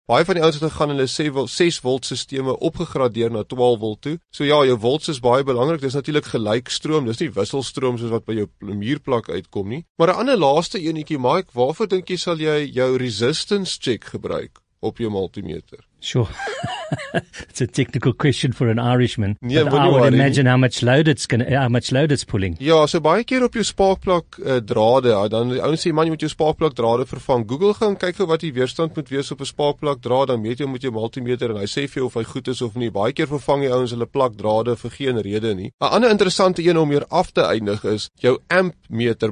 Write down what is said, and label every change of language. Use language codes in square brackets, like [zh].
[af] Baie van die ouens het gegaan hulle 6 volt sisteme opgegradeer na 12 volt toe. So ja, jou volts is baie belangrik. Dis natuurlik gelykstroom, dis nie wisselstroom soos wat by jou muurplak uitkom nie. Maar 'n ander laaste eenetjie, Mike, waarvoor dink jy sal jy jou resistance check gebruik op jou multimeter? [en] Sure. It's a technical question for an Irishman. Nee, but I would imagine how much load it's pulling. [af] Ja, so baie keer op jou spaakplak drade, dan die ouens sê man, jy moet jou spaakplak drade vervang. Google gaan kyk hoe wat die weerstand moet wees op 'n spaakplak draad, dan meet jy met jou multimeter en hy sê vir jou of hy goed is of nie. Baie keer vervang die ouens hulle plak drade vir geen rede nie. 'N Ander interessante een om hier af te eindig is jou ampmeter.